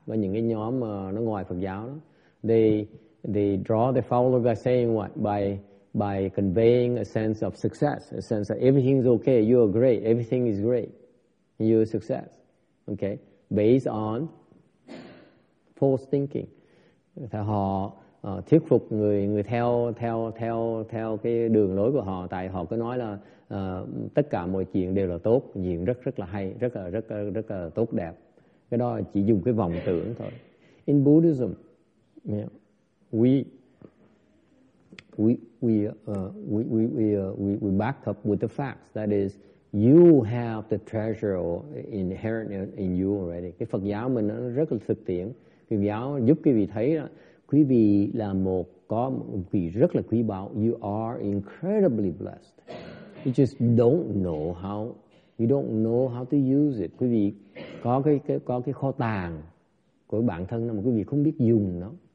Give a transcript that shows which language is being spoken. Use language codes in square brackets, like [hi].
[vi] Có những cái nhóm nó ngoài Phật giáo đó. [en] They draw the follow by saying what? By conveying a sense of success, a sense that everything's okay, you are great, everything is great, you are success. Okay, based on false thinking. [vi] Thì họ thuyết phục người theo cái đường lối của họ, tại họ cứ nói là tất cả mọi chuyện đều là tốt, chuyện rất là hay, rất là tốt đẹp. Cái đó chỉ dùng cái vọng tưởng thôi. [en] In Buddhism, we back up with the facts. That is, you have the treasure inherent in you already. [vi] Cái Phật giáo mình nó rất là thực tiễn. Phật giáo giúp quý vị thấy đó, quý vị là một có một vị rất là quý báu. [en] You are incredibly blessed. You just don't know how. You don't know how to use it. [vi] Quý vị có cái kho tàng của bản thân đó mà quý vị không biết dùng nó.